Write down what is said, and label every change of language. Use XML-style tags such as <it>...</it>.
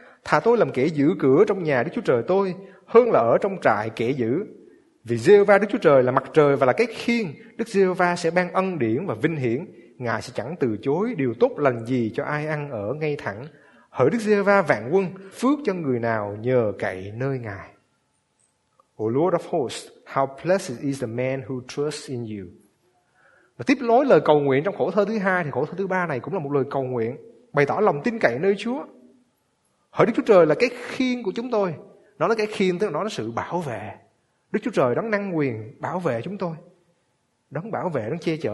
<vi>Thà tôi làm kẻ giữ cửa trong nhà Đức Chúa Trời tôi, hơn là ở trong trại kẻ giữ. Vì Giê-hô-va Đức Chúa Trời là mặt trời và là cái khiên, Đức Giê-hô-va sẽ ban ân điển và vinh hiển. Ngài sẽ chẳng từ chối điều tốt lành gì cho ai ăn ở ngay thẳng. Hỡi Đức Giê-hô-va vạn quân, phước cho người nào nhờ cậy nơi Ngài.</vi> <en>O Lord of hosts, how blessed is the man who trusts in you.</en> <vi>Và tiếp nối lời cầu nguyện trong khổ thơ thứ hai, thì khổ thơ thứ ba này cũng là một lời cầu nguyện bày tỏ lòng tin cậy nơi Chúa. Hỡi Đức Chúa Trời là cái khiên của chúng tôi. Nó là cái khiên, tức là nó là sự bảo vệ. Đức Chúa Trời đấng năng quyền bảo vệ chúng tôi, đấng bảo vệ, đấng che chở.</vi>